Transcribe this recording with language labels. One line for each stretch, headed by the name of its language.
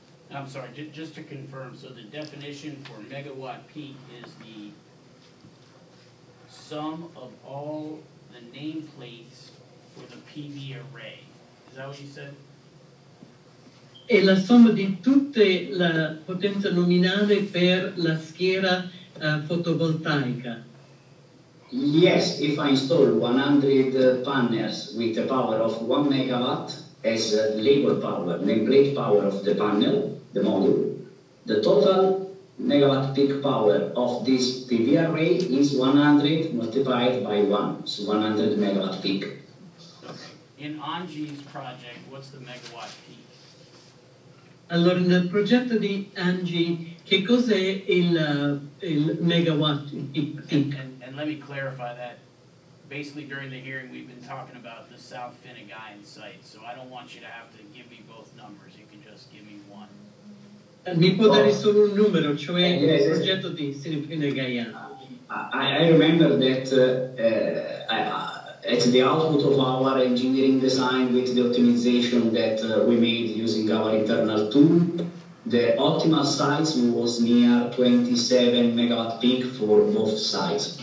English: I'm sorry, just to confirm, so the definition for megawatt peak is the sum of all the nameplates for the PV array. Is that what you said?
Italian: È la somma di tutte la potenza nominale per la schiera fotovoltaica.
English: Yes, if I install 100 panels with a power of 1 megawatt as label power, nameplate power of the panel, the module, the total megawatt peak power of this PV array is 100 multiplied by 1, so 100 megawatt peak. In Angie's project, what's the megawatt peak?
Italian: Allora, nel progetto di Angie, che cos'è il megawatt peak?
English: And let me clarify that. Basically, during the hearing, we've been talking about the South Finnegan site, so I don't want you to have to give me both numbers. You can just give me one.
Italian: Mi può dare solo un numero, cioè il progetto di Sinfine Gaian.
English: I remember that at the output of our engineering design with the optimization that we made using our internal tool, the optimal size was near 27 megawatt peak for both sides.